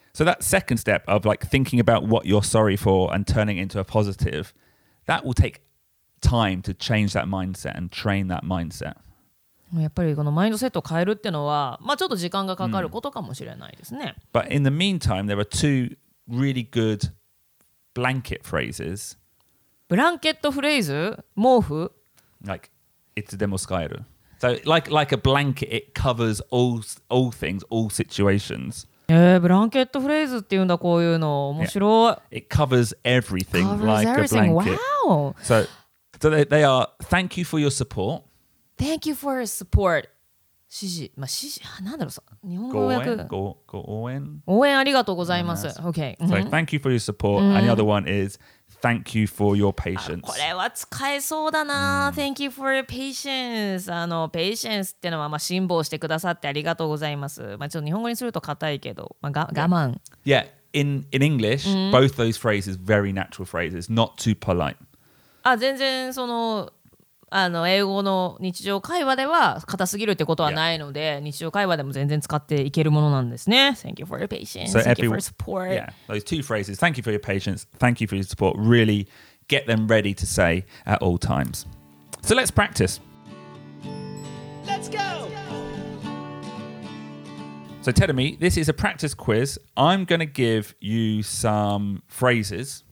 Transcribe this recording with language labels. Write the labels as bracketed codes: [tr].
[en] So that second step of like thinking about what you're sorry for and turning into a positive, that will take time to change that mindset and train that mindset. [ja] やっぱりこのマインドセットを変えるっていうのは、まあちょっと時間がかかることかもしれないですね。 [en] But in the meantime, there are two really good blanket phrases. [ja] ブランケットフレーズ、毛布。 [en] Like, [ja] いつでも使える。 [en] So like a blanket, it covers all things, all situations. [ja] ブランケットフレーズっていうんだこういうの面白い。 [en] Yeah. It covers everything like everything. A blanket. Wow. So they are thank you for your support. Thank you for your support. [ja] 支持、まあ支持、あ、なんだろうさ、日本語訳。応援。応援ありがとうございます。 [en] Yes. Okay. So thank you for your support. And the other one is. Thank you for your patience. [ja] これは使えそうだな。 [en] Thank you for your patience. [ja] あの、patience ってのは、まあ、辛抱してくださってありがとうございます。まあ、ちょっと日本語にすると硬いけど、まあ、我慢。 [en] Yeah, in English, both those phrases, very natural phrases, not too polite. [ja] あ、全然その、あの英語の日常会話では硬すぎるってことはないので、 [en] yeah. [ja] 日常会話でも全然使っていけるものなんですね。 [en] Thank you for your patience. So thank you for support. Yeah, those two phrases. Thank you for your patience. Thank you for your support. Really get them ready to say at all times. So let's practice. Let's go. So Terumi, this is a practice quiz. I'm going to give you some phrases.